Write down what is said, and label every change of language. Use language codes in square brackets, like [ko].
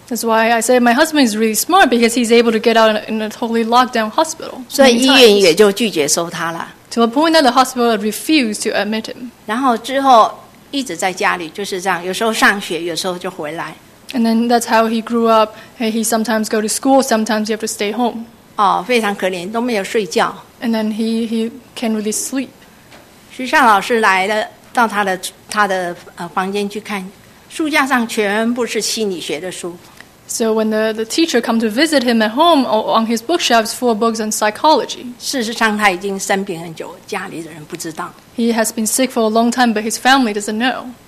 [en] That's why I say my husband is really smart because he's able to get out in a totally locked down hospital. [zh] 所以医院也就拒绝收他了。 [en] To a point that the hospital refused to admit him. [zh] 然后之后, 一直在家里, 就是这样, 有时候上学, 有时候就回来。 [en] And then that's how he grew up. Hey, he sometimes go to school, sometimes you have to stay home. [zh] 哦, 非常可怜, 都没有睡觉。 [en] And then he can't really sleep. [zh] 徐尚老师来了到他的房间去看, 书架上全部是心理学的书。 [en] So when the teacher come to visit him at home, on his bookshelves, four books on psychology. [zh] 事实上他已经生病很久，家里的人不知道。 [en] He has been sick for a long time, but his family doesn't know.